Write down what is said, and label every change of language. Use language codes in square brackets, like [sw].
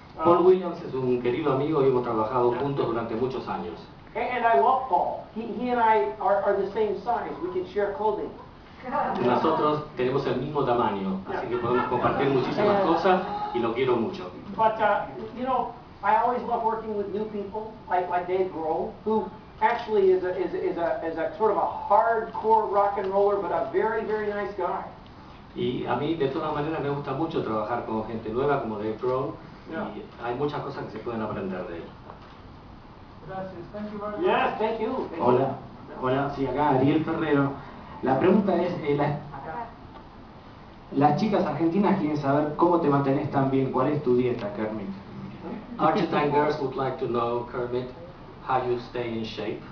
[es] Paul Williams es un querido amigo y hemos trabajado juntos durante muchos años. [en] And I love Paul. He and I are the same size. We can share clothing. [es] Nosotros tenemos el mismo tamaño, así que podemos compartir muchísimas cosas y lo quiero mucho. [en] But, you know, I always love working with new people, like Dave Grohl, who actually is a sort of a hardcore rock and roller, but a very, very nice guy. [es] Y a mí, de todas maneras, me gusta mucho trabajar con gente nueva como Dave Grohl. Yeah. Y hay muchas cosas que se pueden aprender de él. [en] Gracias, thank you very much. Yes, thank you. Thank [es] hola, you. Hola, sí, acá Ariel Ferrero. La pregunta es, las chicas argentinas quieren saber cómo te mantenés tan bien, cuál es tu dieta, Kermit. [en] Argentine girls would like to know, Kermit, how you stay in shape.